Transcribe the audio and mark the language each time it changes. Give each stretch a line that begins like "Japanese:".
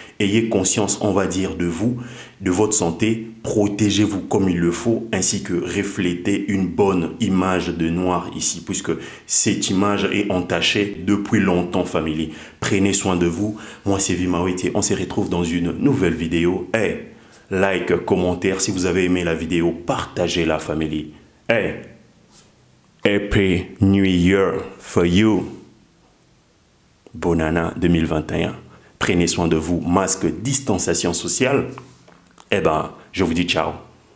French: Ayez conscience, on va dire, de vous, de votre santé, protégez-vous comme il le faut, ainsi que reflétez une bonne image de noir ici, puisque cette image est entachée depuis longtemps, famille. Prenez soin de vous. Moi, c'est Vimawit, on se retrouve dans une nouvelle vidéo. Hey, like, commentaire si vous avez aimé la vidéo, partagez-la, famille.
English: Hey, Happy New Year for you.
French: Bonana 2021. Prenez soin de vous, masque, distanciation sociale. Eh ben, je vous dis ciao.